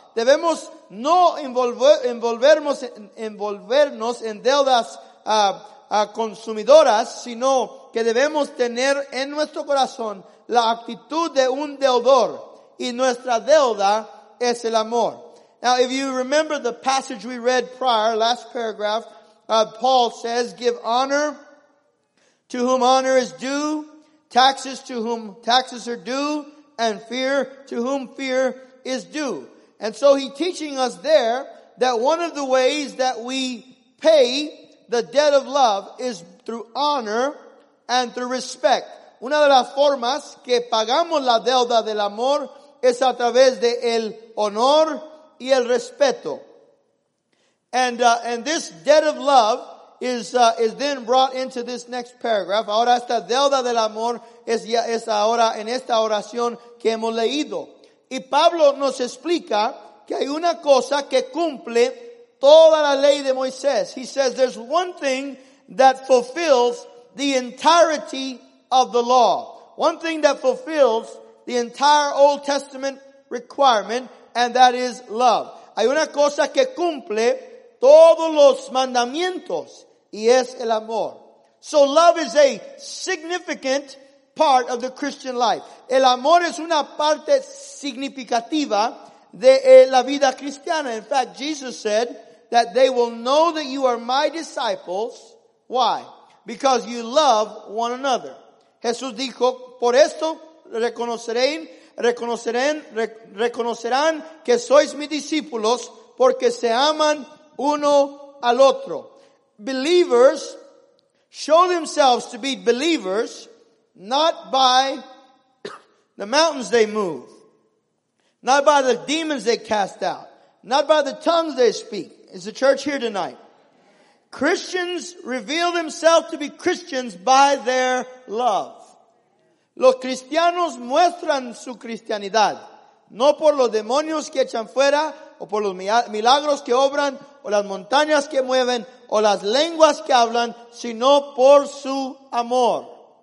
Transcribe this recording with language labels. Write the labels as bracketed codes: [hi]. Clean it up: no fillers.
[es] Debemos no envolvernos en deudas consumidoras, sino que debemos tener en nuestro corazón la actitud de un deudor, y nuestra deuda es el amor. [en] Now, if you remember the passage we read prior, last paragraph, Paul says, give honor to whom honor is due, taxes to whom taxes are due, and fear to whom fear is due. And so he's teaching us there that one of the ways that we pay the debt of love is through honor and through respect. [es] Una de las formas que pagamos la deuda del amor es a través de el honor y el respeto. [en] And this debt of love is then brought into this next paragraph. [es] Ahora esta deuda del amor es ahora en esta oración que hemos leído. Y Pablo nos explica que hay una cosa que cumple toda la ley de Moisés. [en] He says there's one thing that fulfills the entirety of the law. One thing that fulfills the entire Old Testament requirement, and that is love. [es] Hay una cosa que cumple todos los mandamientos, y es el amor. [en] So love is a significant part of the Christian life. [es] El amor es una parte significativa de la vida cristiana. [en] In fact, Jesus said that they will know that you are my disciples. Why? Because you love one another. [es] Jesús dijo, por esto reconocerán que sois mis discípulos porque se aman uno al otro. [en] Believers show themselves to be believers not by the mountains they move, not by the demons they cast out, not by the tongues they speak. Is the church here tonight? Christians reveal themselves to be Christians by their love. [es] Los cristianos muestran su cristianidad, no por los demonios que echan fuera, o por los milagros que obran, o las montañas que mueven, o las lenguas que hablan, sino por su amor.